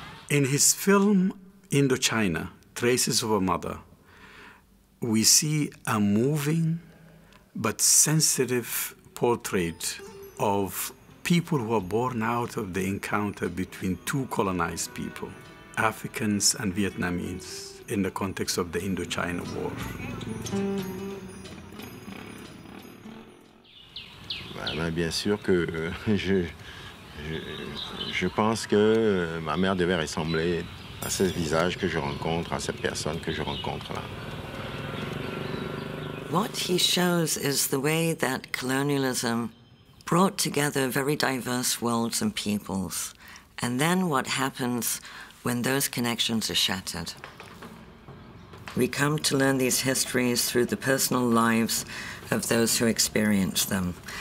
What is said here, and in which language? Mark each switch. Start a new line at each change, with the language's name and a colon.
English: In his film Indochina, Traces of a Mother, we see a moving but sensitive portrait of people who are born out of the encounter between two colonized people, Africans and Vietnamese, in the context of the Indochina War.
French: Bien sûr que je pense que ma mère devait ressembler à ce visage que je rencontre, à cette personne que je rencontre là.
English: What he shows is the way that colonialism brought together very diverse worlds and peoples, and then what happens when those connections are shattered. We come to learn these histories through the personal lives of those who experience them.